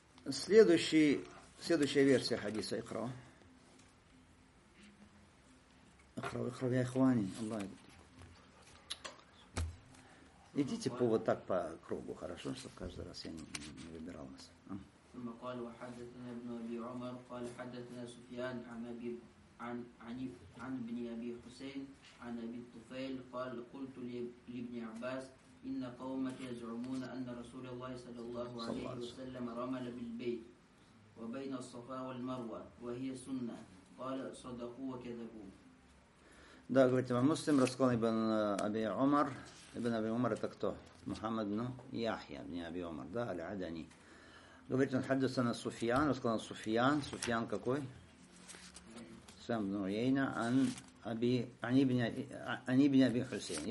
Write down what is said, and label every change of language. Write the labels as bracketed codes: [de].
[ru] Следующая версия хадиса Икра. Икра я хвани. Идите по вот так по кругу, хорошо, чтобы каждый раз я не выбирал вас. [ar] ثم قال وحدثنا ابن أبي عمر قال حدثنا سفيان عن ابن أبي حسين عن أبي الطفيل قال قلت لابن عباس إن قومك يزعمون أن رسول الله صلى الله عليه وسلم رمل بالبيت وبين الصفا والمروة وهي سنة قال صدقوا وكذبوا. [ru] Да, говорит имам Муслим, рассказал ибн Аби Умар. Ибн Аби Умар это кто? Мухаммад ибн Яхья, ибн Аби Умар, да, аль-Адани. Говорит, он хаддасана Суфьян, рассказал Суфьян. Суфьян какой? Сам ибн Уйейна, ибн Аби Хусейн.